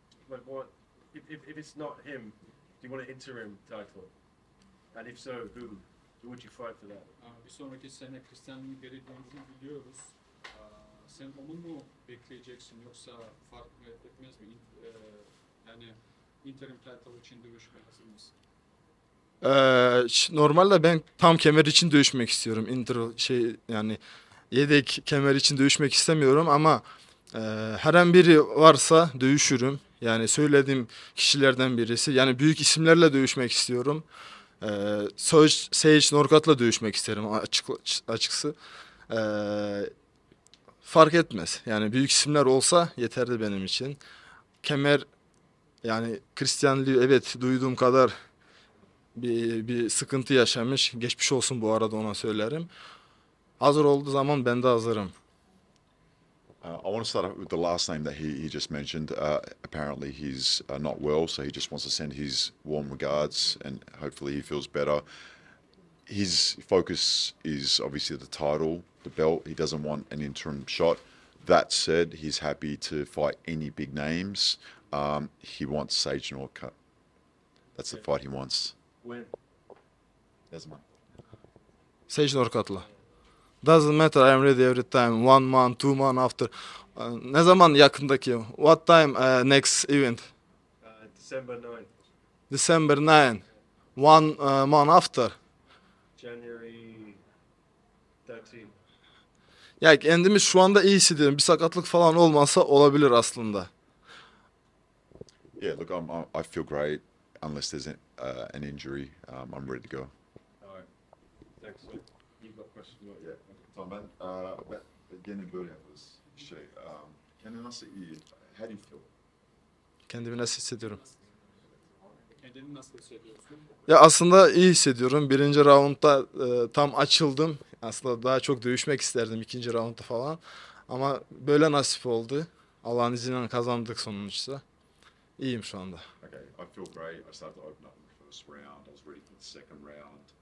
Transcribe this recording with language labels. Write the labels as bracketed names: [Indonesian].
[English] But what if it's not him, do you want an interim title? And if so, who would you fight for that? [Turkish] Bir sonraki sene Christian'ın geri döndüğünü biliyoruz. Sen onu mu bekleyeceksin yoksa fark etmez mi? Yani interim title için dövüşme hazır mısın? Normalde ben tam kemer için dövüşmek istiyorum. Interim şey yani yedek kemer için dövüşmek istemiyorum ama her an biri varsa dövüşürüm. Yani söylediğim kişilerden birisi. Yani büyük isimlerle dövüşmek istiyorum. Sage Norcutt'la dövüşmek isterim açıkçası. Fark etmez. Yani büyük isimler olsa yeterli benim için. Kemer, yani Christian Liu, evet, duyduğum kadar bir sıkıntı yaşamış. Geçmiş olsun bu arada, ona söylerim. Hazır olduğu zaman ben de hazırım. [English] I want to start off with the last name that he just mentioned. Apparently he's not well, so he just wants to send his warm regards and hopefully he feels better. His focus is obviously the title, the belt. He doesn't want an interim shot. That said, he's happy to fight any big names. He wants Sage Norcutt. That's the fight he wants. When? [Turkish] Sage Norcutt'la. [English] Doesn't matter, I'm ready every time. 1 month, 2 months after. [Turkish] Ne zaman yakındaki? [English] What time next event? December 9th. December 9th. One month after. January 13th. [Turkish] Ya kendimi şu anda iyi hissediyorum. Bir sakatlık falan olmasa olabilir aslında. [English] Yeah, look, I feel great. Unless there's an injury, I'm ready to go. Alright, thanks. You've got questions about yet? [Turkish] Tamam, ben yine böyle yaparız. Şey, kendini nasıl iyi? [English] How do you feel? [Turkish] Kendimi nasıl hissediyorum? Kendini nasıl hissediyorsun? Ya aslında iyi hissediyorum. Birinci raundda tam açıldım. Aslında daha çok dövüşmek isterdim ikinci raundda falan. Ama böyle nasip oldu. Allah'ın izniyle kazandık sonuçta. İyiyim şu anda. [English] Okay, I feel great. I started to open up in the first round. I was ready for the second round.